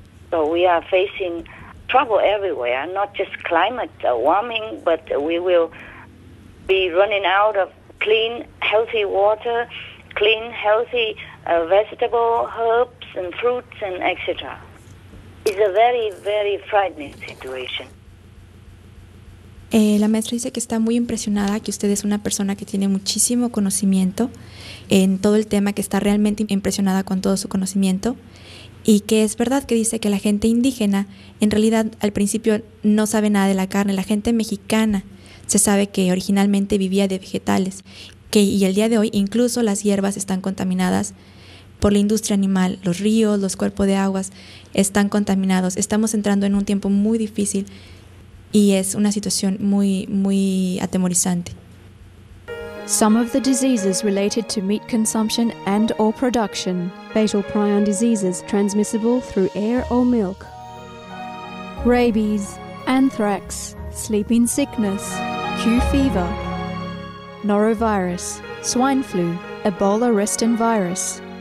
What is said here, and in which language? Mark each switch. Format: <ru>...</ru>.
<en>So we are facing trouble everywhere, not just climate warming, but we will be running out of clean, healthy water, clean, healthy vegetable, herbs and fruits and etc. It's a very, very frightening situation.</en> <es>La maestra dice que está muy impresionada, que usted es una persona que tiene muchísimo conocimiento en todo el tema, que está realmente impresionada con todo su conocimiento, y que es verdad que dice que la gente indígena en realidad al principio no sabe nada de la carne. La gente mexicana se sabe que originalmente vivía de vegetales, que y el día de hoy incluso las hierbas están contaminadas por la industria animal, los ríos, los cuerpos de aguas están contaminados. Estamos entrando en un tiempo muy difícil y es una situación muy, muy atemorizante.</es> <en>Some of the diseases related to meat consumption and or production. Fatal prion diseases transmissible through air or milk. Rabies, anthrax, sleeping sickness, Q fever, norovirus, swine flu, Ebola Resistant virus.</en>